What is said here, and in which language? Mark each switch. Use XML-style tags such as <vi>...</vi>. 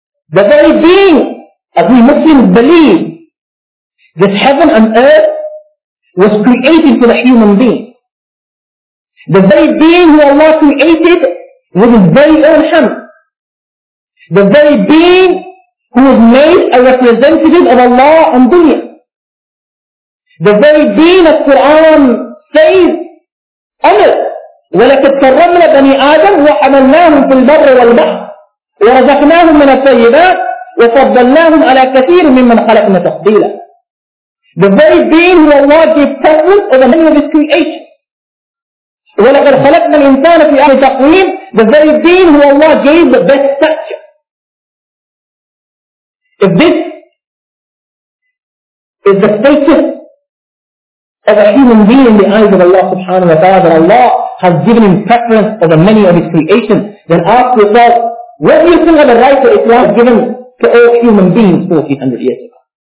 <en>The very being, as we Muslims believe, this heaven and earth was created for the human being. The very being who Allah created with His very own hand. The very being who was made a representative of Allah on dunya. The very being that Quran says,</en> <ar>أَمِرْ وَلَكَدْ كَرَّمْنَا بَنِي آدَمَ وَحَمَلْنَاهُمْ فِي الْبَرِّ وَالْبَحْرِ وَرَزَقْنَاهُمْ مِنَ الطَّيِّبَاتِ وَفَضَّلْنَاهُمْ عَلَى كَثِيرٍ مِمَّنْ خَلَقْنَا تَفْضِيلًا.</ar> <en>The very being who Allah gave preference over many of His creation.</en> <ar>وَلَكَدْ خَلَقْنَا الْإِنسَانَ فِي أَحْسَنِ تَقْوِيمٍ.</ar> <en>The very being who Allah gave the best stature. If this is the status of a human being in the eyes of Allah subhanahu wa ta'ala, that Allah has given him preference over many of His creation, then ask yourself, what do you think of the right that Islam has given to all human beings 1400 years ago?</en>